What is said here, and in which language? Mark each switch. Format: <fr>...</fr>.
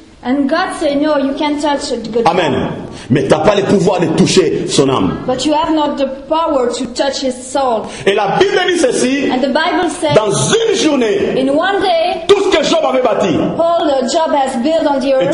<en>And God said, "No, you can't touch God." Amen.</en> <fr>Mais t'as pas le pouvoir de toucher son âme.</fr> <en>But you have not the power to touch his soul.</en> <fr>Et la Bible dit ceci.</fr> <en>And the Bible says,</en> <fr>dans une journée,</fr> <en>in one day,</en> <fr>tout ce que Job avait bâti,</fr> <en>all the Job has built on the earth,</en>